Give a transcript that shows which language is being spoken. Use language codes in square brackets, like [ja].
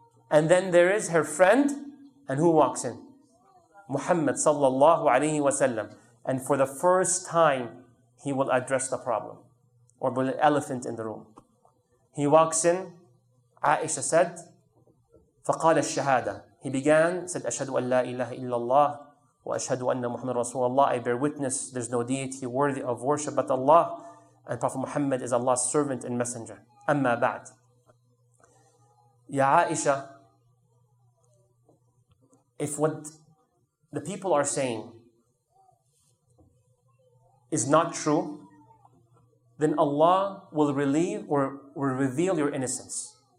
[en] And then there is her friend. And who walks in? Muhammad sallallahu alayhi wa sallam. And for the first time, he will address the problem. Or the elephant in the room. He walks in. Aisha said, [ar] فقال الشهادة. [en] He began, said, [ar] أشهد أن لا إله إلا الله وأشهد أن محمد رسول الله. [en] I bear witness, there's no deity worthy of worship but Allah. And Prophet Muhammad is Allah's servant and messenger. [ar] أما بعد. يا عائشة, [en] if what the people are saying is not true, then Allah will relieve or will reveal your innocence.